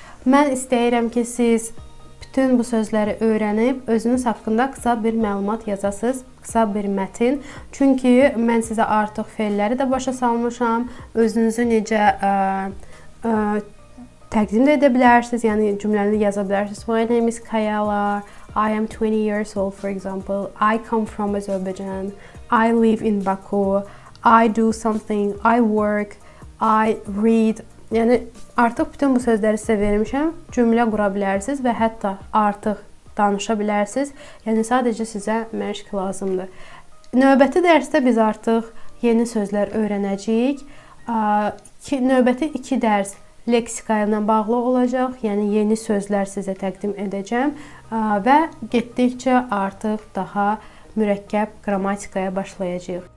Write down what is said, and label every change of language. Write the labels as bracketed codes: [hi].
[az] Mən istəyirəm ki, siz bütün bu sözləri öyrənib, özünüz haqqında qısa bir məlumat yazasınız, qısa bir mətin. Çünki mən sizə artıq felləri də başa salmışam. Özünüzü necə təqdim də edə bilərsiniz, yəni cümləni yaza bilərsiniz. [en] My name is Kayala, I am 20 years old, for example. I come from Azerbaijan, I live in Baku, I do something, I work, I read. [az] Yəni, artıq bütün bu sözləri sizə vermişəm, cümlə qura bilərsiniz və hətta artıq danışa bilərsiniz. Yəni, sadəcə sizə məşq lazımdır. Növbəti dərsdə biz artıq yeni sözlər öyrənəcəyik. Növbəti iki dərs leksikayla bağlı olacaq, yəni yeni sözlər sizə təqdim edəcəm və getdikcə artıq daha mürəkkəb qramatikaya başlayacaq.